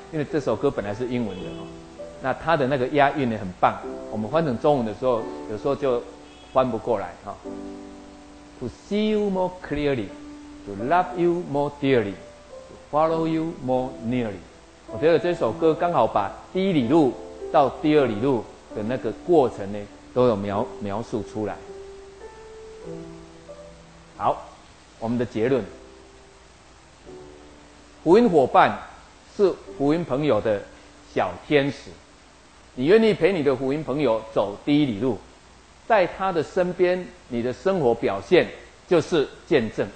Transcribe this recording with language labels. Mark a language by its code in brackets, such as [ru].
[zh] 因为这首歌本来是英文的。那他的那个押韵呢很棒，我们换成中文的时候有时候就翻不过来哈。 [en] To see you more clearly, to love you more dearly, to follow you more nearly. [zh] 我觉得这首歌刚好把第一里路到第二里路的那个过程呢都有描述出来。好，我们的结论，福音伙伴是福音朋友的小天使，你愿意陪你的福音朋友走第一里路，在他的身边，你的生活表现就是见证。